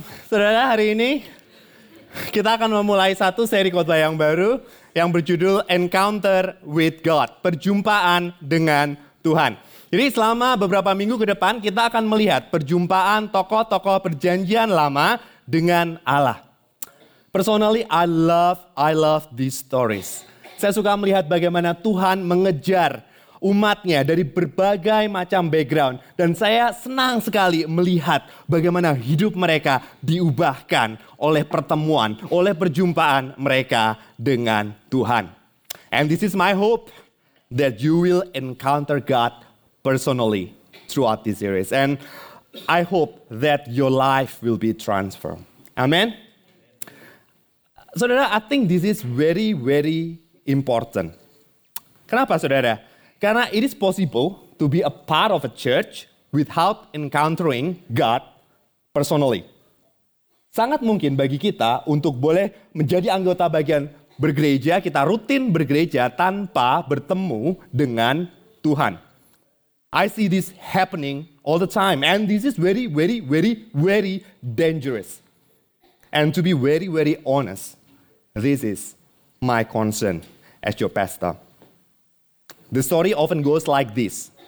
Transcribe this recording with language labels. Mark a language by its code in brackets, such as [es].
[id] Saudara, hari ini kita akan memulai satu seri khotbah yang baru, yang berjudul Encounter with God, perjumpaan dengan Tuhan. Jadi selama beberapa minggu ke depan kita akan melihat perjumpaan tokoh-tokoh perjanjian lama dengan Allah. [en] Personally, I love these stories. [id] Saya suka melihat bagaimana Tuhan mengejar umatnya dari berbagai macam background. Dan saya senang sekali melihat bagaimana hidup mereka diubahkan oleh pertemuan, oleh perjumpaan mereka dengan Tuhan. [en] And this is my hope that you will encounter God personally throughout this series. And I hope that your life will be transformed. Amen. Saudara, I think this is very, very important. [id] Kenapa, saudara? Karena [en] it is possible to be a part of a church without encountering God personally. [id] Sangat mungkin bagi kita untuk boleh menjadi anggota bagian bergereja, kita rutin bergereja tanpa bertemu dengan Tuhan. [en] I see this happening all the time, and this is very, very, very, very dangerous. And to be very, very honest, this is my concern as your pastor. The story often goes like this.